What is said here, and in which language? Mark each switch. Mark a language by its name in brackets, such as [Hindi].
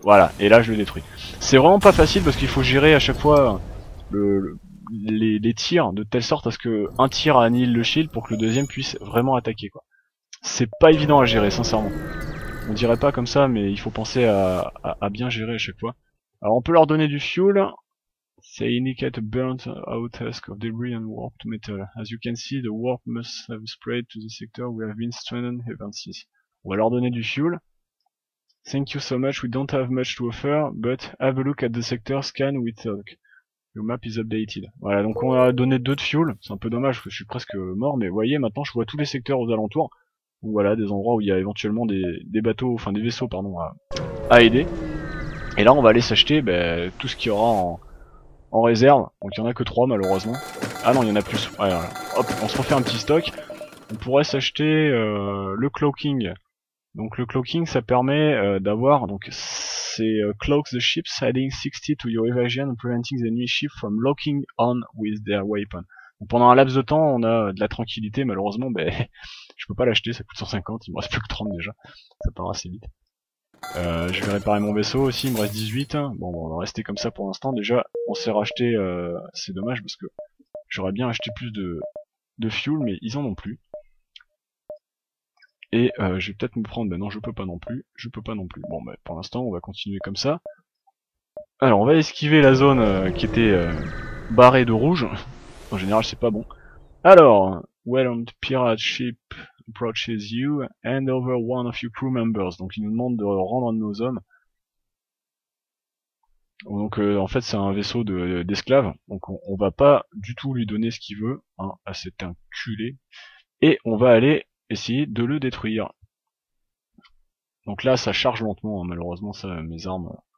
[French] Voilà, et là, je le détruis. C'est vraiment pas facile, parce qu'il faut gérer à chaque fois les tirs, de telle sorte à ce que un tir annihile le shield pour que le deuxième puisse vraiment attaquer, quoi. C'est pas évident à gérer, sincèrement. On dirait pas comme ça, mais il faut penser à bien gérer à chaque fois. Alors, on peut leur donner du fuel... [English] They indicate a burnt out husk of debris and warped metal. As you can see, the warp must have spread to the sector we have been stranded ever since. [French] On va leur donner du fuel. [English] Thank you so much, we don't have much to offer, but have a look at the sector scan with talk. Your map is updated. [French] Voilà, donc on a donné 2 de fuel. C'est un peu dommage parce que je suis presque mort, mais voyez, maintenant je vois tous les secteurs aux alentours. Voilà, des endroits où il y a éventuellement des vaisseaux, à aider. Et là, on va aller s'acheter, tout ce qu'il y aura en réserve, donc il y en a que 3 malheureusement. Ah non, il y en a plus. Ouais, voilà. Hop, on se refait un petit stock. On pourrait s'acheter le cloaking. Donc le cloaking, ça permet d'avoir donc [English] c'est cloak the ship, sailing 60 to your evasion, preventing the enemy ship from locking on with their weapon. [French] Donc pendant un laps de temps, on a de la tranquillité, malheureusement, ben, je peux pas l'acheter, ça coûte 150, il me reste plus que 30 déjà, ça part assez vite. Je vais réparer mon vaisseau aussi, il me reste 18, hein. Bon, on va rester comme ça pour l'instant. Déjà, on s'est racheté, c'est dommage parce que j'aurais bien acheté plus de fuel, mais ils en ont plus. Et je vais peut-être me prendre, ben non, je peux pas non plus. Bon, ben, pour l'instant, on va continuer comme ça. Alors, on va esquiver la zone qui était barrée de rouge. En général, c'est pas bon. [English] Alors, Welland Pirate Ship approaches you, hand over one of your crew members. [French] Donc, il nous demande de rendre un de nos hommes. Donc, en fait, c'est un vaisseau d'esclaves. Donc, on va pas du tout lui donner ce qu'il veut, hein, à cet inculé. Et on va aller essayer de le détruire. Donc là, ça charge lentement, hein, malheureusement, ça, mes armes.